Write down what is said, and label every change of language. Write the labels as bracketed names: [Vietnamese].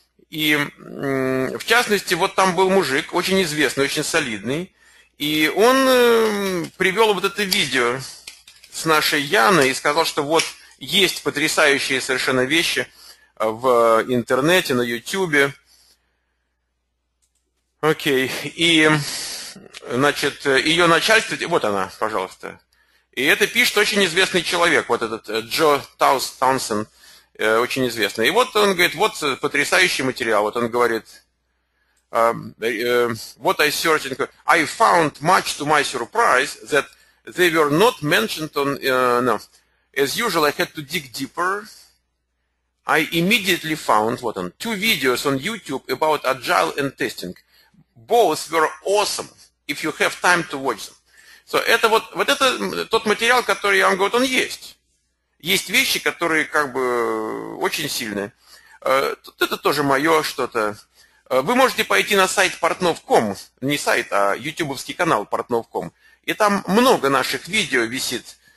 [Russian] И в частности, вот там был мужик, очень известный, очень солидный, и он привел вот это видео с нашей Яной и сказал, что вот есть потрясающие совершенно вещи в интернете, на YouTube. Окей, и, значит, ее начальство, вот она, пожалуйста, и это пишет очень известный человек, вот этот Джо Таунсен. Очень известный. И вот он говорит, вот потрясающий материал. Вот он говорит, [English] what I searching, I found much to my surprise that they were not mentioned on, no. As usual, I had to dig deeper. I immediately found, [Russian] вот он, [English] two videos on YouTube about agile and testing. Both were awesome, if you have time to watch them. [Russian] So, это вот это тот материал, который, я вам говорю, он есть. Есть вещи, которые как бы очень сильные. Тут это тоже мое что-то. Вы можете пойти на сайт Portnov.com, не сайт, а ютубовский канал Portnov.com, и там много наших видео висит.